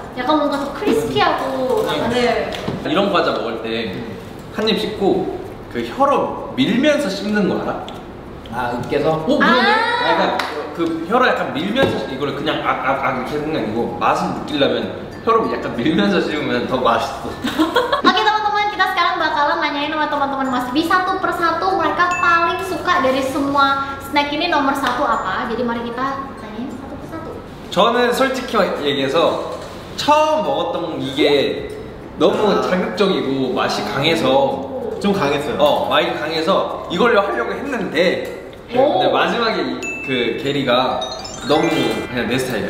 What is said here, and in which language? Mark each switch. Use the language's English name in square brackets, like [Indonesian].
[Korean] 약간 뭔가 더 크리스피하고 네. 네. 이런 과자 먹을 때 한 입 씹고 그 혀로 밀면서 씹는 거 알아? 아 으깨서? 오 그러네? 약간 그 혀로 약간 밀면서 이걸 그냥 악악악 이렇게 하는 게 아니고 맛을 느끼려면 여러분 약간 밀면서 씹으면 더 맛있어. [Indonesian] Oke teman-teman, kita sekarang bakalan nanyain sama teman-teman Mas B satu per satu mereka paling suka dari semua snack ini nomor satu apa. Jadi mari kita tanyain satu per satu. [Korean] 저는 솔직히 얘기해서 처음 먹었던 이게 너무 자극적이고 맛이 강해서 좀 강했어요. 어, 맛이 강해서 이걸 하려고 했는데 근데 마지막에 그 게리가 너무 그냥 내 스타일이야.